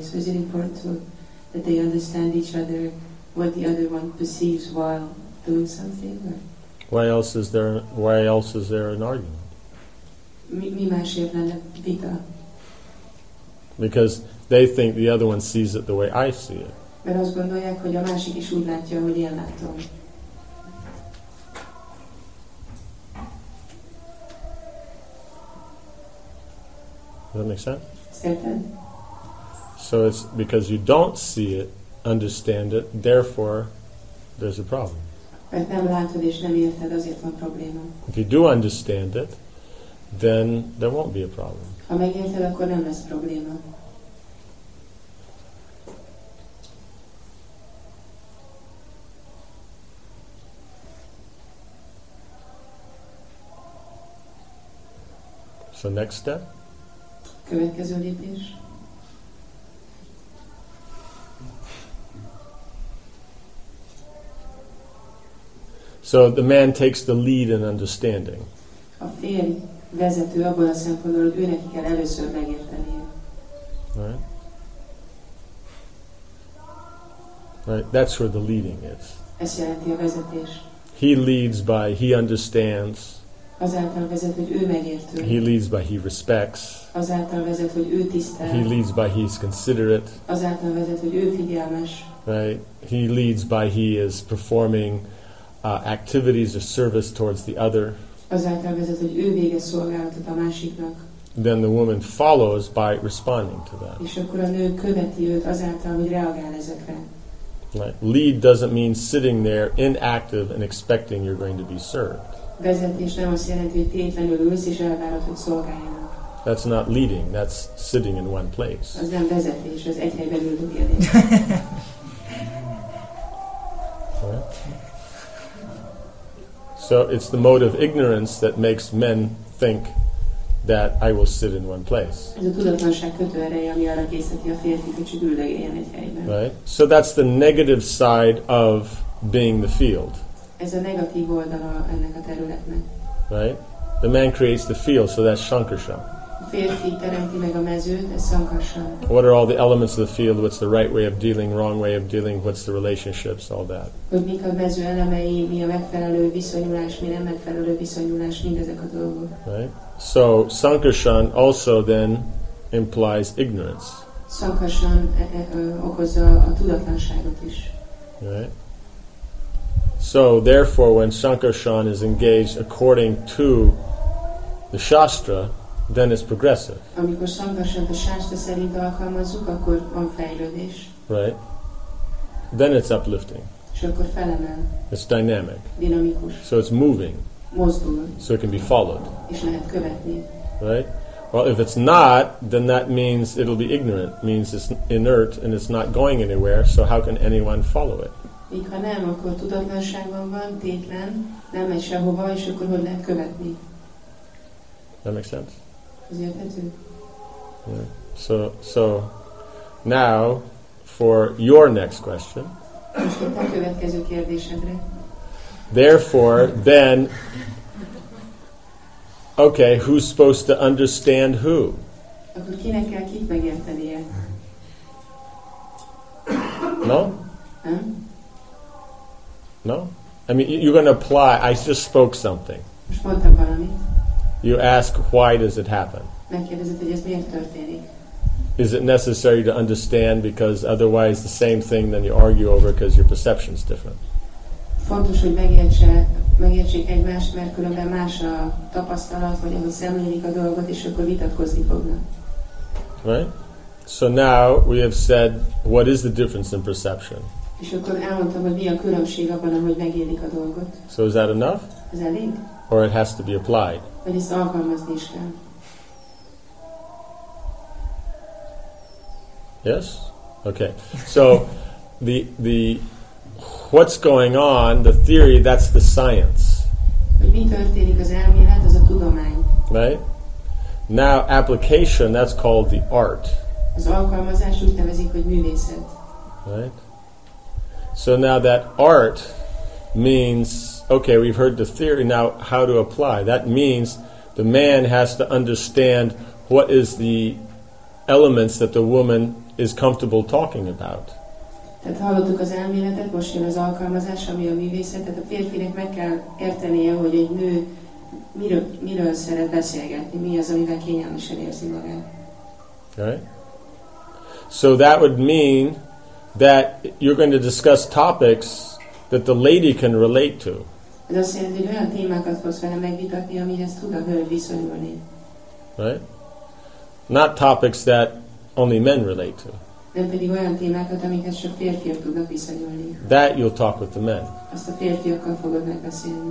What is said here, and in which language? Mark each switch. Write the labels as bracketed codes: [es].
[en] So is it important to, that they understand each other, what the other one perceives while doing something? Or? Why else is there an argument? Because they think the other one sees it the way I see it. [hu] Mert azt gondolják, hogy a másik is úgy látja, hogy én látom. [en] Does that make sense? Certain. So it's because you don't see it, understand it, therefore there's a problem. [hu] Mert nem látod és nem érted, azért van probléma. [en] If you do understand it, then there won't be a problem. [hu] Ha megérted, akkor nem lesz probléma. [en] So next step? [hu] Következő lépés. [en] So the man takes the lead in understanding. [hu] A férj vezető abban a szempontból, hogy őnek kell először megérteni. [en] Right, that's where the leading is. [hu] Ez jelenti a vezetés. [en] He leads by, he understands. [hu] Azáltal vezet, hogy ő megértő. [en] He leads by he respects. [hu] Azáltal vezet, hogy ő tisztel. [en] He leads by he is considerate. [hu] Azáltal vezet, hogy ő figyelmes. [en] Right. He leads by he is performing activities or service towards the other. [hu] Azáltal vezet, hogy ő végez szolgálatot a másiknak. [en] Then the woman follows by responding to that. [hu] És akkor a nő követi őt azáltal, hogy reagál ezekre. [en] Right. Lead doesn't mean sitting there inactive and expecting you're going to be served. [hu] Vezetés nem azt jelenti, hogy tétlenül ülsz és elvárod, hogy szolgáljanak. [en] That's not leading, that's sitting in one place. [hu] Az nem vezetés, az egy helyben üldögélés. [en] Right. So it's the mode of ignorance that makes men think that I will sit in one place. [hu] Ez a tudatlanság kötő ereje, ami arra készíti a férfit, hogy csak üldögéljen egy helyben. [en] Right. So that's the negative side of being the field. [hu] Ez a negatív oldala ennek a területnek. [en] Right? The man creates the field, so that's Shankarsham. [hu] A férfi teremti meg a mezőt, ez Shankarsham. [en] What are all the elements of the field? What's the right way of dealing, wrong way of dealing? What's the relationships, all that? [hu] Hogy mik a mező elemei, mi a megfelelő viszonyulás, mi nem megfelelő viszonyulás, mindezek a dolgok. [en] Right? So Shankarsham also then implies ignorance. [hu] Shankarsham okozza a tudatlanságot is. [en] Right? So therefore when Shankarsham is engaged according to the Shastra, then it's progressive. [hu] Amikor Shankarsham a Shastra szerint alkalmazzuk, akkor van fejlődés. [en] Right. Then it's uplifting. [hu] És akkor felemel. [en] It's dynamic. [hu] Dinamikus. [en] So it's moving. [hu] Mozdul. [en] So it can be followed. [hu] És lehet követni. [en] Right. Well, if it's not, then that means it'll be ignorant. Means it's inert and it's not going anywhere, so how can anyone follow it? [hu] Míg ha nem, akkor tudatlanságban van, tétlen, nem megy sehova, és akkor hogy lehet követni? [en] That makes sense? [hu] Ez érthető? [en] Yeah. So, now, for your next question. [hu] Most itt a következő kérdésedre. [en] Therefore, then, okay, who's supposed to understand who? [hu] Akkor kinek kell kit megértenie? [en] No? Hm? No? I mean, you're going to apply, I just spoke something. [hu] Most mondtam valamit. [en] You ask, why does it happen? [hu] Megkérdezed, hogy ez miért történik? [en] Is it necessary to understand, because otherwise the same thing, then you argue over because your perception's different. [hu] Fontos, hogy megértsék egymást, mert különben más a tapasztalat, vagy ahogy szemlélik a dolgot, és akkor vitatkozni fognak. [en] Right? So now we have said, what is the difference in perception? [hu] És akkor elmondtam, hogy mi a különbség abban, ahogy megélik a dolgot. [en] So is that enough? [hu] Ez elég? [en] Or it has to be applied? [hu] Vagy ezt alkalmazni is kell. [en] Yes? Okay. So, the what's going on, the theory, that's the science. [hu] Hogy mi történik az elmélet, az a tudomány. [en] Right? Now, application, that's called the art. [hu] Az alkalmazás úgy nevezik, hogy művészet. [en] Right? So now that art means, okay, we've heard the theory, now how to apply. That means the man has to understand what is the elements that the woman is comfortable talking about. [hu] Tehát hallottuk az elméletet, most jön az alkalmazás, ami a művészet, tehát a férfinek meg kell értenie, hogy egy nő miről szeret beszélgetni, mi az, amivel kényelmesen érzi magát. [en] Okay. So that would mean that you're going to discuss topics that the lady can relate to. [hu] Ez azt jelenti, hogy olyan témákat fogsz vele megvitatni, amihez tud a hölgy viszonyulni. [en] Right? Not topics that only men relate to. [hu] Nem pedig olyan témákat, amiket csak férfiak tudnak viszonyulni. [en] That you'll talk with the men. [hu] Azt a férfiakkal fogod megbeszélni.